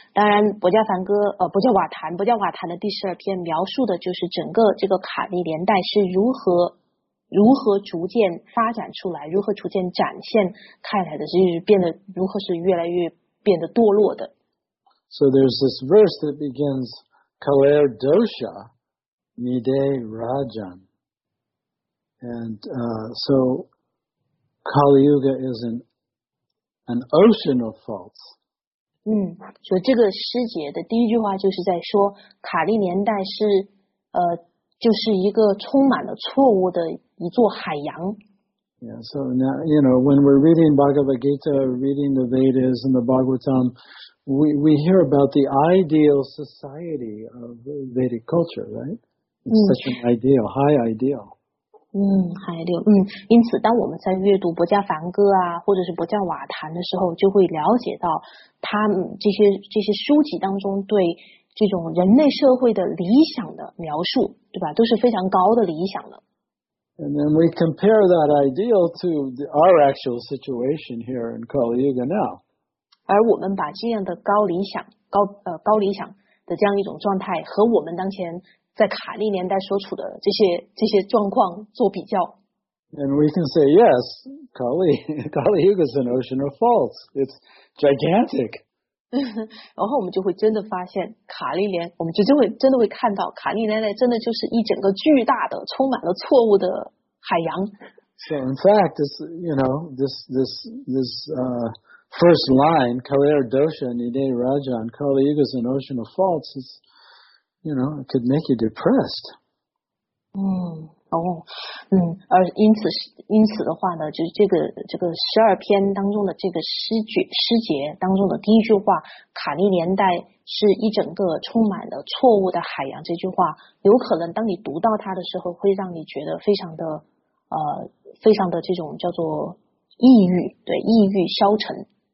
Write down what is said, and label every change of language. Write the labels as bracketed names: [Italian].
[Chinese] 当然，薄伽瓦坛的第十二篇描述的就是整个这个卡利年代是如何逐渐发展出来，如何逐渐展现开来的，就是变得如何是越来越变得堕落的。 [English] So there's this verse that begins, [Sanskrit] Kaler dosha nide rajan. [English] And so Kali Yuga is an ocean of faults. [Chinese] 所以这个诗节的第一句话就是在说卡利年代是就是一个充满了错误的一座海洋。 [English] Yeah, so now, you know, when we're reading Bhagavad Gita, reading the Vedas and the Bhagavatam, we hear about the ideal society of Vedic culture, right? It's such an ideal, high ideal. High ideal. [Chinese] 因此当我们在阅读薄伽梵歌啊，或者是薄伽瓦坛的时候，就会了解到他们这些书籍当中对这种人类社会的理想的描述，对吧？都是非常高的理想的。 [English] And then we compare that ideal to our actual situation here in Kali Yuga now. [Chinese] 而我们把这样的高理想的这样一种状态和我们当前在卡利年代所处的这些状况做比较。 [English] And we can say, yes, Kali Yuga is an ocean of faults. It's gigantic. [Chinese] 然后我们就会真的发现我们就真的会看到卡利奶奶真的就是一整个巨大的充满了错误的海洋。 [English] So in fact, it's, you know, this first line, [Sanskrit] Kaler Dosha Nide Rajan, [English] Kali Yuga is an ocean of faults, is, you know, it could make you depressed. Mm. [Chinese] 因此的话呢，就这个十二篇当中的这个诗句当中的第一句话，卡利年代是一整个充满了错误的海洋。这句话有可能当你读到它的时候，会让你觉得非常的这种叫做抑郁，对，抑郁消沉。